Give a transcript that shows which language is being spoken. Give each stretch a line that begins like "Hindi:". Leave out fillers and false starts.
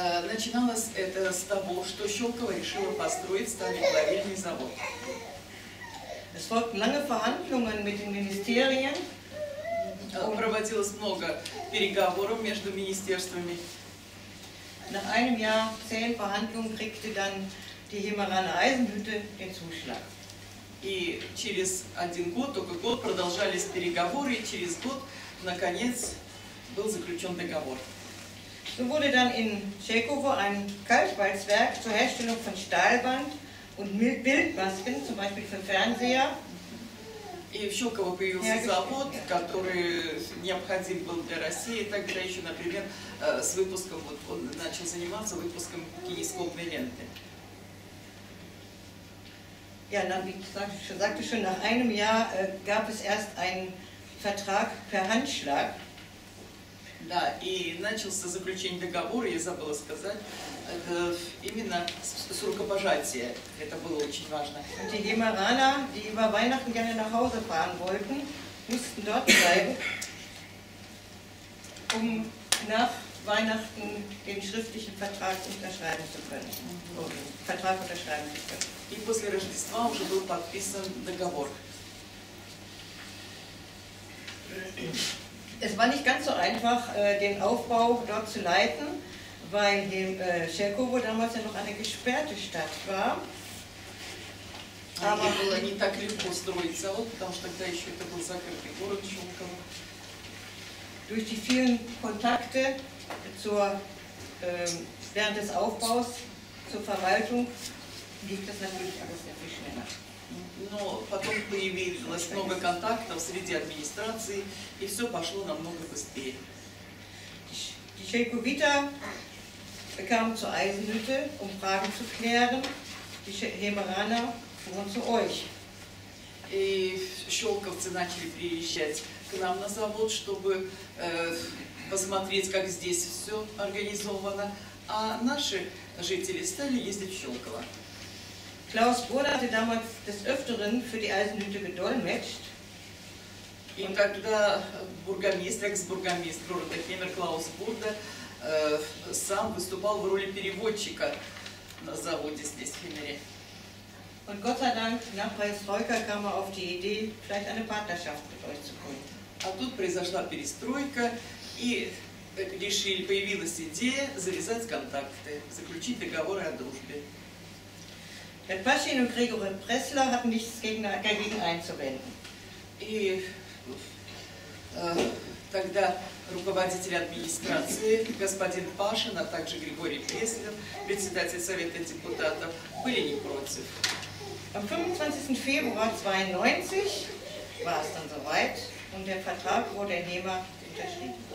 Russian: Начиналось это с того, что Щелкова решила построить сталеплавильный завод.
German: Es folgten lange Verhandlungen mit den Ministerien.
Russian: Проводилось много переговоров между министерствами.
German: Nach einem Jahr zähen Verhandlungen kriegte dann die Hemerane Eisenhütte den Zuschlag.
Russian: И через один год, только год, продолжались переговоры, и через год, наконец, был заключен договор.
German: So wurde dann in Tschechowo ein Kalkwalzwerk zur Herstellung von Stahlband und Bildmasken, zum Beispiel für Fernseher.
Russian: И в Щелково появился завод, который необходим был для России тогда еще, например, с выпуском, вот он начал заниматься выпуском кинескопной ленты.
German: Ja, dann, wie gesagt, schon sagte schon, nach einem Jahr gab es erst einen Vertrag per Handschlag.
Russian: Да, и начался заключение договора, я забыла сказать, именно с рукопожатия. Это было очень важно.
German: Die Hemeraner, die über Weihnachten gerne nach Hause fahren wollten, mussten dort bleiben, um nach Weihnachten den schriftlichen Vertrag unterschreiben zu können. Mm-hmm. Vertrag unterschreiben zu können.
Russian: И после Рождества уже был подписан договор.
German: Es war nicht ganz so einfach, den Aufbau dort zu leiten, weil Tschechowo damals ja noch eine gesperrte Stadt war. Aber es war nicht so einfach, den Aufbau dort zu leiten, weil Tschechowo damals ja noch eine Durch die vielen Kontakte zur, während des Aufbaus zur Verwaltung ging das natürlich alles sehr viel schneller.
Russian: Но потом появилось много контактов среди администрации, и все пошло намного быстрее.
German: Die Tschechowita kam zur Eisenhütte, um Fragen zu klären. Die Hemeraner fuhren zu euch.
Russian: И щелковцы начали приезжать к нам на завод, чтобы посмотреть, как здесь все организовано. А наши жители стали ездить в Щелково.
German: Klaus Burda hatte damals des Öfteren für die Eisenhütte gedolmetscht.
Russian: Und тогда Бургомистр, экс-бургомистр города Хемер Клаус Бурда сам выступал в роли переводчика на заводе здесь в Хемере.
German: Und Gott sei Dank, nach Perestroika kam er auf die Idee, vielleicht eine Partnerschaft mit euch zu gründen.
Russian: А тут произошла перестройка, и решили, появилась идея завязать контакты, заключить договоры о дружбе.
German: Herr Paschin und Gregorin Pressler hatten nichts dagegen einzuwenden.
Russian: И тогда руководители администрации, господин Пашин, а также Григорий Пресслер, председатель Совета депутатов, были не против.
German: Am 25. Februar 92 war es dann soweit und der Vertrag wurde Nehmer unterschrieben.